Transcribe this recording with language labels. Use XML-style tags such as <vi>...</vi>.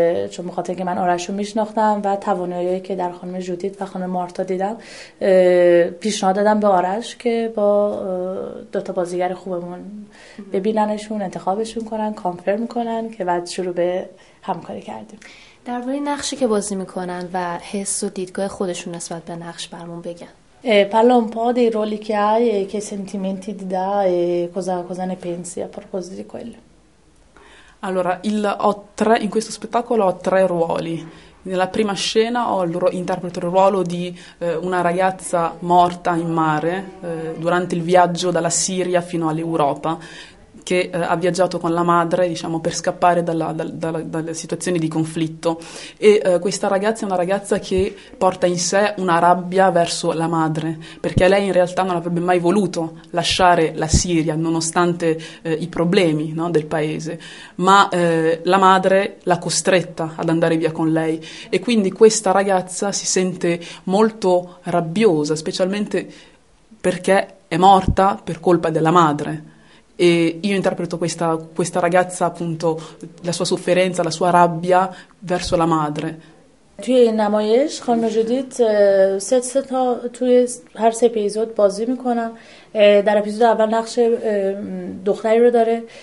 <fa>چون بخاطر که من آرش رو میشناختم و توانایی که در خانم جودیت و خانم مارتا دیدم پیشنهاد دادم به آرش که با دوتا بازیگر خوبمون ببیننشون، انتخابشون کنن، کانفرم کنن که بعد شروع به همکاری کردیم. در باره نقشی که بازی میکنن و حس و دیدگاه خودشون نسبت به نقش برمون بگن.</fa> <it>Parla un po' dei ruoli che hai e che sentimenti ti dà e cosa ne pensi a proposito di quello. Allora, in questo spettacolo ho tre ruoli. Nella prima scena interpreto il ruolo di una ragazza morta in mare durante il viaggio dalla Siria fino all'Europa, che ha viaggiato con la madre, diciamo, per scappare dalla situazione di conflitto. E questa ragazza è una ragazza che porta in sé una rabbia verso la madre, perché lei in realtà non avrebbe mai voluto lasciare la Siria, nonostante i problemi, no, del paese. Ma la madre l'ha costretta ad andare via con lei. E quindi questa ragazza si sente molto rabbiosa, specialmente perché è morta per colpa della madre. E io interpreto questa ragazza, appunto, la sua sofferenza, la sua rabbia verso la madre.</it> <fa>توی این نمایش خانم جدید سه تا توی هر سه اپیزود بازی میکنم. در اپیزود اول نقش دختری رو داره</fa>